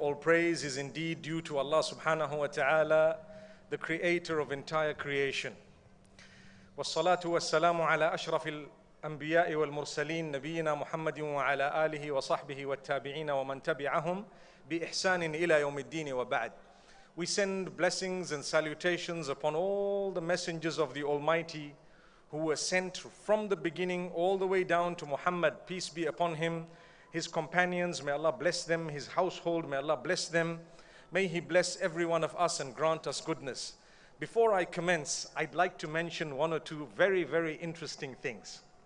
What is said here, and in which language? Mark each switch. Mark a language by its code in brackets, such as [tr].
[en] All praise is indeed due to Allah subhanahu wa ta'ala, the creator of entire creation. [ar] والصلاة والسلام على أشرف الأنبياء والمرسلين نبينا محمد وعلى آله وصحبه والتابعين ومن تبعهم بإحسان إلى يوم الدين وبعد. [en] We send blessings and salutations upon all the messengers of the Almighty who were sent from the beginning all the way down to Muhammad, peace be upon him, his companions, may Allah bless them, his household, may Allah bless them. May he bless every one of us and grant us goodness. Before I commence, I'd like to mention one or two very, very interesting things.